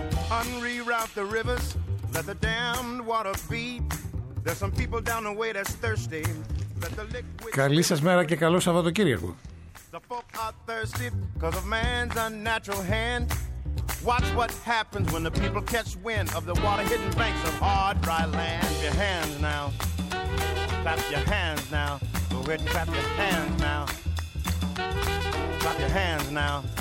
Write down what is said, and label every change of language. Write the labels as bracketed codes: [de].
[en] Unreroute the rivers, let the damned water beat. There's some people down the way that's thirsty. Let the liquid. [el] Καλή σας μέρα και καλό Σαββατοκύριακο. [en] The folk are thirsty because of man's unnatural hand. Watch what happens when the people catch wind of the water hidden banks of hard, dry land. Clap your hands now. Clap your hands now. Go ahead and clap your hands now. Clap your hands now.